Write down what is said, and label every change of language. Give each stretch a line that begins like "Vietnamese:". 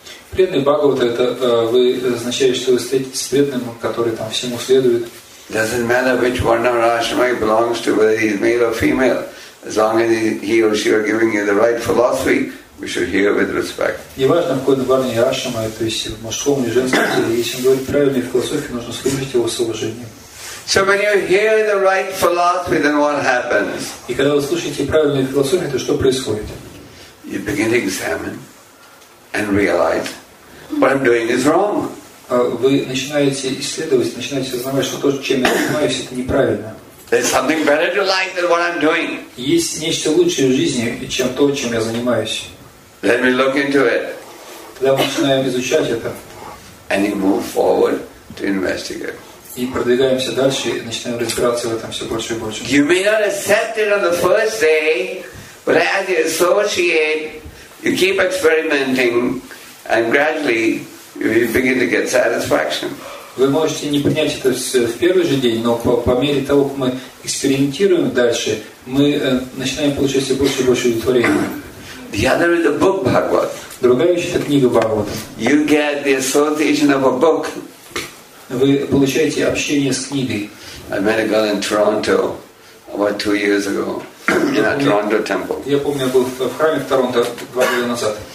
Russian: Преданный Бхагавад это вы означает, что вы встретитесь с преданным, который там всему следует.
English: Doesn't matter which one of Ashrama belongs to, whether he's male or female, as long as he or she are giving you the right philosophy, we should hear with respect.
Russian: Неважно, в какой дворне Ашама, то есть в мужском или женском теле, если он говорит правильной философии, нужно слушать его с уважением.
English: So when you hear the right philosophy, then what happens?
Russian: И когда вы слушаете правильную философию, то что происходит?
English: You begin to examine and realize what I'm doing is wrong.
Russian: Вы начинаете исследовать, начинаете осознавать, что то, чем я занимаюсь, это неправильно.
English: There's something better to life than what I'm doing.
Russian: Есть нечто лучшее в жизни, чем то, чем я занимаюсь.
English: Let me look into it.
Russian: Тогда мы начинаем изучать это.
English: And you move forward to investigate.
Russian: И продвигаемся дальше, и начинаем разбираться в этом все больше и больше.
English: You may not accept it on the first day, but as you associate, you keep experimenting, and gradually you begin to get satisfaction.
Russian: Вы можете не понять это в первый же день, но по мере того, как мы экспериментируем дальше, мы начинаем получать все больше и больше удовлетворения.
English: The other is the book Bhagavad.
Russian: Другая еще это книга Бхагавата.
English: You get the association of a book.
Russian: Вы получаете общение с книгой.
English: I met a girl in Toronto about 2 years ago in a Toronto temple.
Russian: Я помню, я был в храме в Торонто 2 года назад.